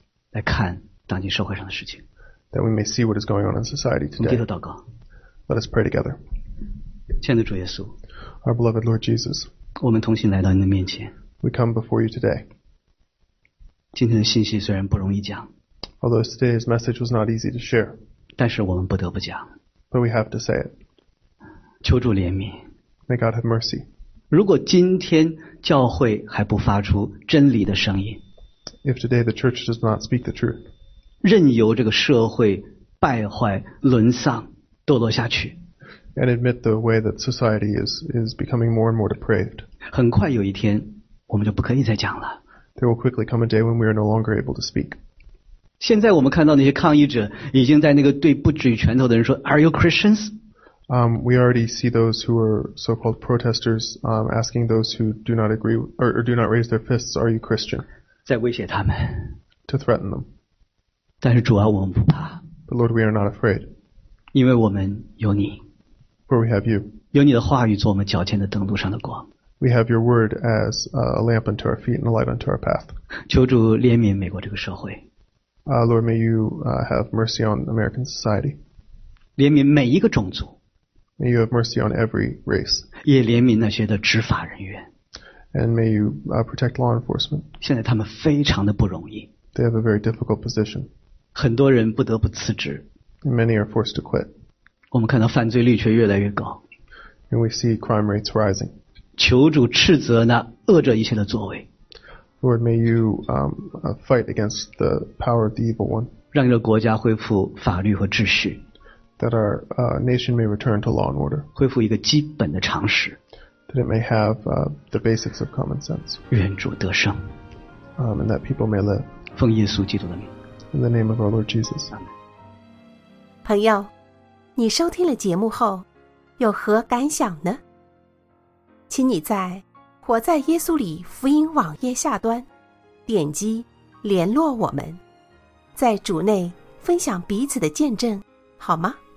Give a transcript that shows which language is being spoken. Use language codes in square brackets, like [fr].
[zh] 来看当今社会上的事情。 [en] That we may see what is going on in society today. [zh] 我们低头祷告。 [en] Let us pray together. [zh] 亲爱的主耶稣。 [en] Our beloved Lord Jesus. [zh] 我们同心来到你的面前。 [en] We come before you today. [zh] 今天的信息虽然不容易讲 [en] although today's message was not easy to share [zh] 但是我们不得不讲 [en] but we have to say it [zh] 求主怜悯 [en] may God have mercy [zh] 如果今天教会还不发出真理的声音 [en] if today the church does not speak the truth [zh] 任由这个社会败坏沦丧堕落下去 [en] and admit the way that society is becoming more and more depraved [zh] 很快有一天我们就不可以再讲了 [en] There will quickly come a day when we are no longer able to speak. [zh] 现在我们看到那些抗议者已经在那个对不举拳头的人说 [en] Are you Christians? We already see those who are so-called protesters asking those who do not agree or do not raise their fists, Are you Christian? [zh] 在威胁他们 [en] To threaten them. [zh] 但是主啊我们不怕 [en] But Lord, we are not afraid. [zh] 因为我们有你 [en] For we have you. [zh] 有你的话语做我们脚前的灯路上的光 [en] We have your word as a lamp unto our feet and a light unto our path. [zh] 求主怜悯美国这个社会。 [en] Lord, may you have mercy on American society. [zh] 怜悯每一个种族。 [en] May you have mercy on every race. [zh] 也怜悯那些的执法人员。 [en] And may you protect law enforcement. [zh] 现在他们非常的不容易。 [en] They have a very difficult position. [zh] 很多人不得不辞职。 [en] And many are forced to quit. [zh] 我们看到犯罪率却越来越高。 [en] And we see crime rates rising. [zh] 求主斥责那恶者一切的作为 [en] Lord, may you fight against the power of the evil one [zh] 让你的国家恢复法律和秩序 [en] That our nation may return to law and order [zh] 恢复一个基本的常识 [en] That it may have the basics of common sense [zh] 愿主得胜 [en] And that people may live [zh] 奉耶稣基督的名 [en] In the name of our Lord Jesus [zh] 朋友你收听了节目后有何感想呢请你在“活在耶稣里”福音网页下端点击联络我们，在主内分享彼此的见证，好吗？